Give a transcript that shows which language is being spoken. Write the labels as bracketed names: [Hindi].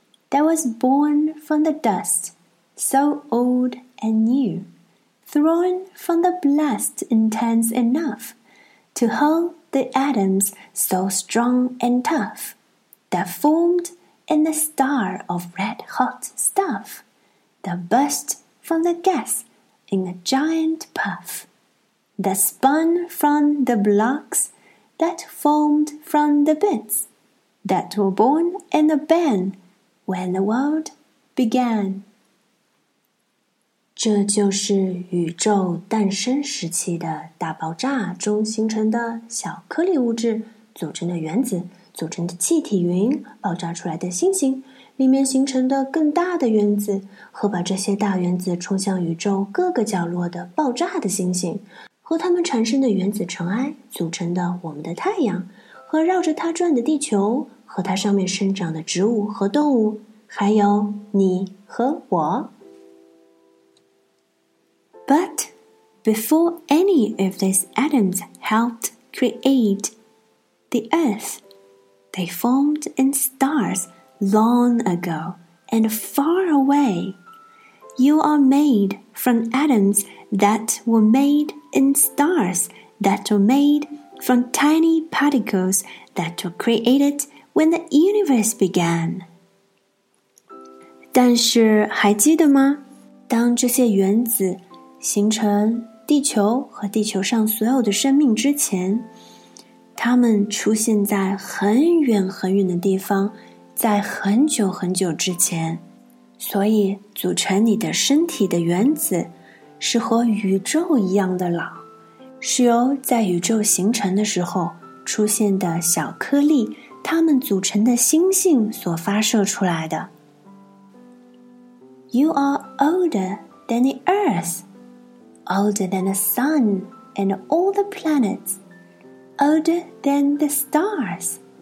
[English] that was born from the dust, so old and new, thrown from the blast intense enough to hold the atoms so strong and tough, that formed in the star of red hot stuff, that burstFrom the gas in a giant puff that spun from the blocks that formed from the bits that were born in the band when the world began. [Chinese] 这就是宇宙诞生时期的大爆炸中形成的小颗粒物质组成的原子组成的气体云爆炸出来的星星里面形成的更大的原子和把这些大原子冲向宇宙各个角落的爆炸的星星和它们产生的原子尘埃组成的我们的太阳和绕着它转的地球，和它上面生长的植物和动物，还有你和我。 [English] But before any of these atoms helped create the Earth, they formed in stars long ago and far away. You are made from atoms that were made in stars that were made from tiny particles that were created when the universe began. [Chinese] 但是还记得吗？当这些原子形成地球和地球上所有的生命之前，它们出现在很远很远的地方，在很久很久之前。所以组成你的身体的原子是和宇宙一样的老，是由在宇宙形成的时候出现的小颗粒它们组成的星星所发射出来的。 [English] You are older than the Earth, older than the Sun and all the planets, older than the stars.